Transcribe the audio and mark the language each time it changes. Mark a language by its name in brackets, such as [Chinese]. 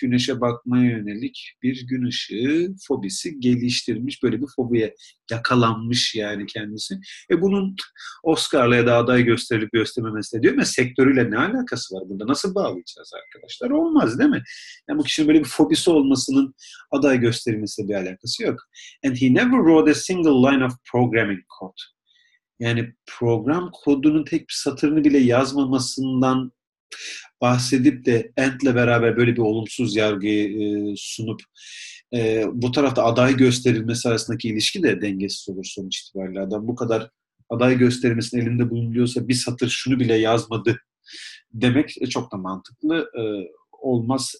[Turkish] Güneşe bakmaya yönelik bir gün ışığı fobisi geliştirmiş. Böyle bir fobiye yakalanmış yani kendisi. Bunun Oscar'la ya da aday gösterilip göstermemesi diyor. Ama sektörüyle ne alakası var burada? Nasıl bağlayacağız arkadaşlar? Olmaz değil mi? Yani bu kişinin böyle bir fobisi olmasının aday gösterilmesiyle bir alakası yok. [English] And he never wrote a single line of programming code. [Turkish] Yani program kodunun tek bir satırını bile yazmamasından bahsedip de Ant'le beraber böyle bir olumsuz yargıyı sunup bu tarafta aday gösterilmesi arasındaki ilişki de dengesiz olur sonuç itibariyle. Adam bu kadar aday gösterilmesinin elinde bulunuyorsa bir satır şunu bile yazmadı demek çok da mantıklı olmaz.